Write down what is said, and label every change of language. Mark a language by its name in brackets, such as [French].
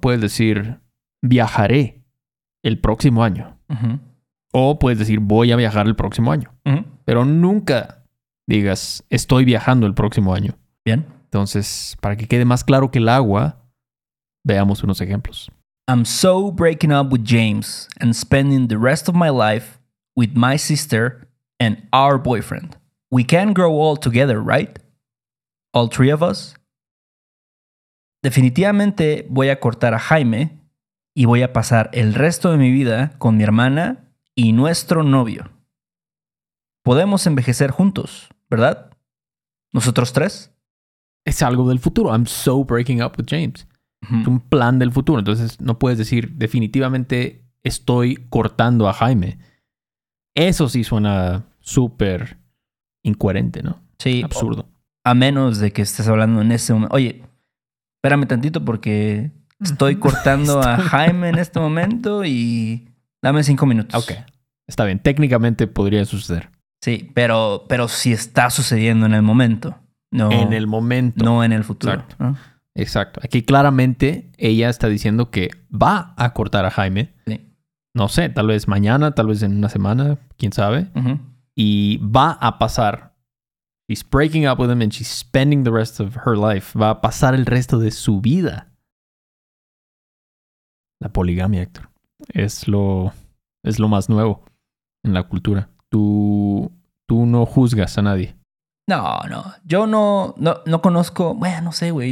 [Spanish] Puedes decir viajaré el próximo año. O puedes decir voy a viajar el próximo año. Pero nunca digas estoy viajando el próximo año. Bien. Entonces, para que quede más claro que el agua, veamos unos ejemplos. [English] I'm so breaking up with James and spending the rest of my life with my sister and our boyfriend. We can grow all together, right? All three of us? [Spanish] Definitivamente voy a cortar a Jaime y voy a pasar el resto de mi vida con mi hermana y nuestro novio. Podemos envejecer juntos, ¿verdad? ¿Nosotros tres? Es algo del futuro. [English] I'm so breaking up with James. [Spanish] Es un plan del futuro. Entonces no puedes decir definitivamente estoy cortando a Jaime. Eso sí suena súper incoherente, ¿no? Sí. Absurdo. A menos de que estés hablando en ese momento. Oye, espérame tantito porque estoy cortando a Jaime en este momento y dame 5 minutos. Ok. Está bien. Técnicamente podría suceder. Sí, pero si está sucediendo en el momento. No. En el momento. No en el futuro. Exacto. Exacto. Aquí claramente ella está diciendo que va a cortar a Jaime. Sí. No sé, tal vez mañana, tal vez en una semana, quién sabe. y va a pasar. [English] She's breaking up with him and she's spending the rest of her life. [Spanish] Va a pasar el resto de su vida. La poligamia, Héctor. Es lo más nuevo en la cultura. Tú no juzgas a nadie. No. Yo no conozco... Bueno, no sé, güey.